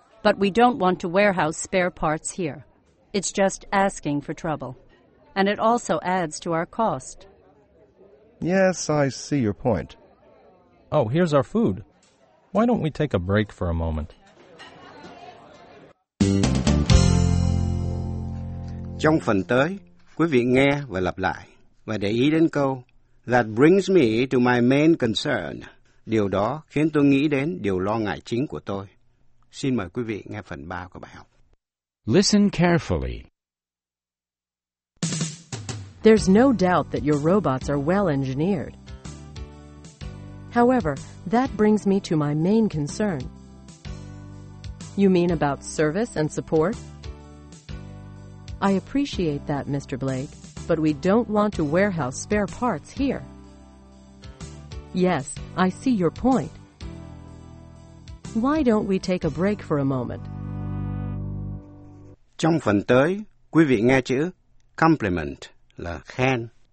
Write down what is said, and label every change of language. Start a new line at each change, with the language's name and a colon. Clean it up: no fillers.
English: But we don't want to warehouse spare parts here. It's just asking for trouble. And it also adds to our cost. Yes, I see your point. Oh, here's our food. Why don't we take a break for a moment?
Vietnamese: Trong phần tới, quý vị nghe và lặp lại, và để ý đến câu,
English: that brings me to my main concern.
Vietnamese: Điều đó khiến tôi nghĩ đến điều lo ngại chính của tôi. Xin mời quý vị nghe phần 3 của bài học.
English: Listen carefully. There's no doubt that your robots are well engineered. However, that brings me to my main concern. You mean about service and support? I appreciate that, Mr. Blake, but we don't want to warehouse spare parts here. Yes, I see your point. Why don't we take a break for a moment?
Vietnamese: Trong phần tới, quý vị nghe chữ compliment là khen.